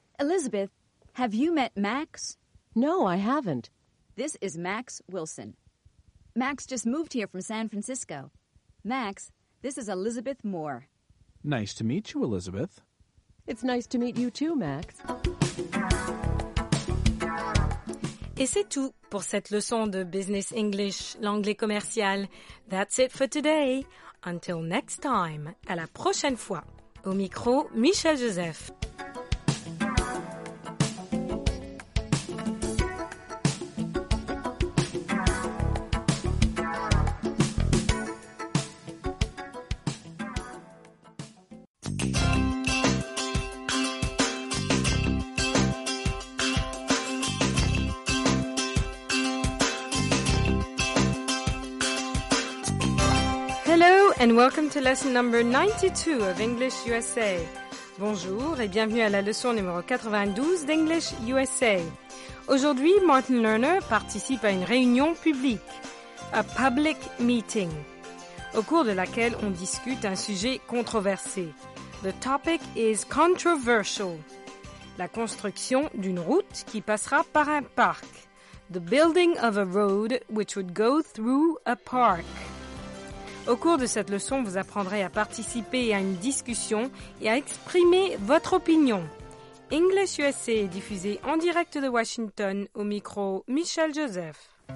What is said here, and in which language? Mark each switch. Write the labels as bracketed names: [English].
[English] Elizabeth, have you met Max? No, I haven't. This is Max Wilson. Max just moved here from San Francisco. Max, this is Elizabeth Moore. Nice to meet you, Elizabeth. It's nice to meet you too, Max. [French] Et c'est tout pour cette leçon de Business English, l'anglais commercial. [English] That's it for today. Until next time, [French] à la prochaine fois. Au micro, Michel Joseph. [English] And welcome to lesson number 92 of English USA. [French] Bonjour et bienvenue à la leçon numéro 92 d'English USA. Aujourd'hui, Martin Lerner participe à une réunion publique, [English] a public meeting, [French] au cours de laquelle on discute un sujet controversé. [English] The topic is controversial. [French] La construction d'une route qui passera par un parc. [English] The building of a road which would go through a park. [French] Au cours de cette leçon, vous apprendrez à participer à une discussion et à exprimer votre opinion. English USA est diffusé en direct de Washington au micro Michel Joseph.